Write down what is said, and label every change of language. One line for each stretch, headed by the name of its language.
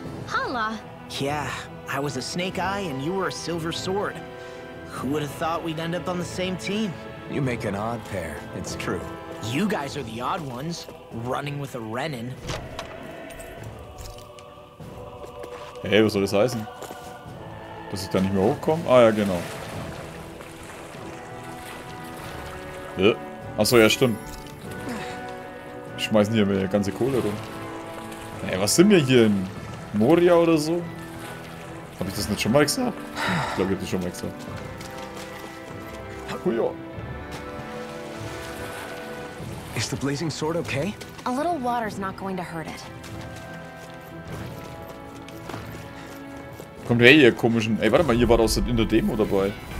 English: Hala! Yeah, I was a Snake Eye and you were a Silver Sword. Who would have thought we'd end up on the same team? You make an odd pair, it's true. You guys are the odd ones, running with a Renan.
German: Hey, was soll das heißen? Dass ich da nicht mehr hochkomme? Ah ja, genau. Ja. Achso, ja, stimmt. Wir schmeißen hier meine ganze Kohle rum. Ey, was sind wir hier in Moria oder so? Hab ich das nicht schon mal gesagt? Ich glaube, ich hab das schon mal gesagt. Huja.
English: Is the blazing sword okay? A little water's not going to hurt it.
German: Kommt her, ihr komischen. Ey, warte mal, ihr wart aus in der Demo dabei.